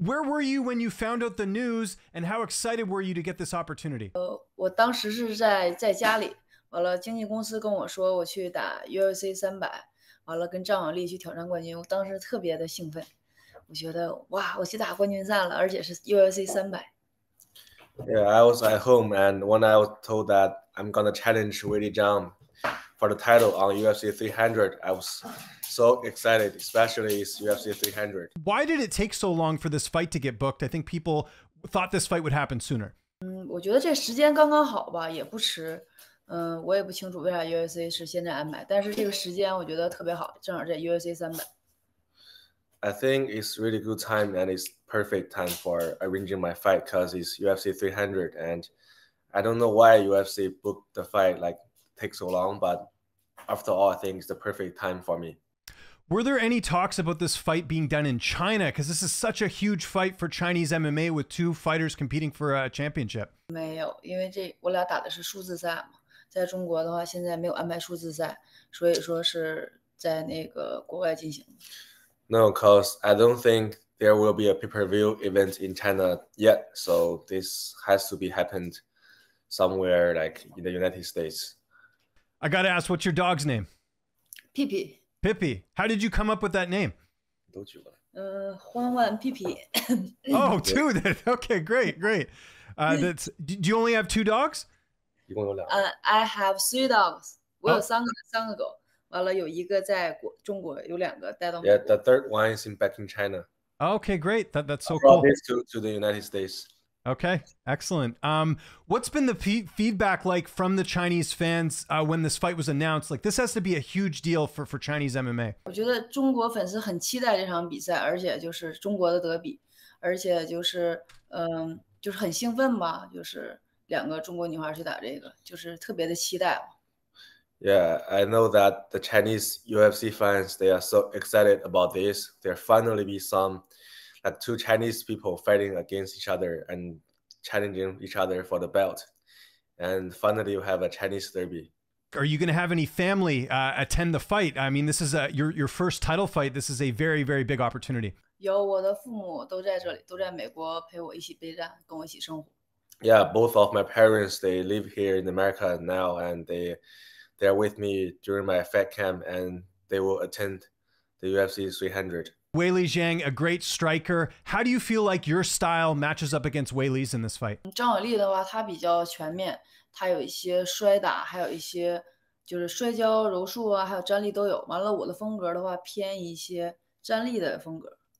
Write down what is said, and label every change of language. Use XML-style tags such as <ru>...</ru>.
<en>Where were you when you found out the news, and how excited were you to get this opportunity?</en> <zh>我当时是在家里。完了，经纪公司跟我说我去打 UFC 300，完了跟张小丽去挑战冠军。我当时特别的兴奋，我觉得哇，我去打冠军赛了，而且是 UFC 300。</zh> <en>Yeah, I was at home, and when I was told that I'm gonna challenge Weili Zhang for the title on UFC 300, I was so excited, especially UFC 300. Why did it take so long for this fight to get booked? I think people thought this fight would happen sooner.</en> <zh>我觉得这时间刚刚好吧，也不迟。我也不清楚为啥 UFC 是现在安排，但是这个时间我觉得特别好，正好在 UFC 300。</zh> <en>I think it's really good time and it's perfect time for arranging my fight because it's UFC 300 and I don't know why UFC booked the fight like take so long, but after all, I think it's the perfect time for me. Were there any talks about this fight being done in China? Because this is such a huge fight for Chinese MMA with two fighters competing for a championship.</en> <zh>没有，因为这我俩打的是数字赛嘛。在中国的话，现在没有安排数字赛，所以说是在那个国外进行。</zh> <en>No, cause I don't think there will be a pay-per-view event in China yet. So this has to be happened somewhere like in the United States. I gotta ask, what's your dog's name? Pippi. Pippi. How did you come up with that name?</en> <zh>欢欢 Pippi.</zh> <en>Oh, two. Then. Okay, great. That's. Do you only have two dogs? I have three dogs.</en> <zh>我有三个、</zh> <en>oh.</en> <zh>三个狗，完了有一个在国中国，有两个带到美国。</zh> <en>Yeah, the third one is in back in China. Okay, great. That's so cool. I brought this to the United States. Okay, excellent. What's been the feedback like from the Chinese fans when this fight was announced? Like, this has to be a huge deal for Chinese MMA.</en> <zh>我觉得中国粉丝很期待这场比赛，而且就是中国的德比，而且就是就是很兴奋吧，就是。两个中国女孩去打这个，就是特别的期待。</zh> <en>Yeah, I know that the Chinese UFC fans, they are so excited about this. There finally be some, like two Chinese people fighting against each other and challenging each other for the belt. And finally you have a Chinese derby. Are you going to have any family attend the fight? I mean, this is your first title fight. This is a very, very big opportunity.</en> <zh>有我的父母都在这里，都在美国陪我一起备战，跟我一起生活。</zh> <en>Yeah, both of my parents, they live here in America now, and they are with me during my fight camp, and they will attend the UFC 300. Weili Zhang, a great striker. How do you feel like your style matches up against Weili's in this fight?</en> <zh>张小丽的话，她比较全面，她有一些摔打，还有一些就是摔跤、柔术啊，还有站立都有。完了，我的风格的话，偏一些站立的风格。</zh>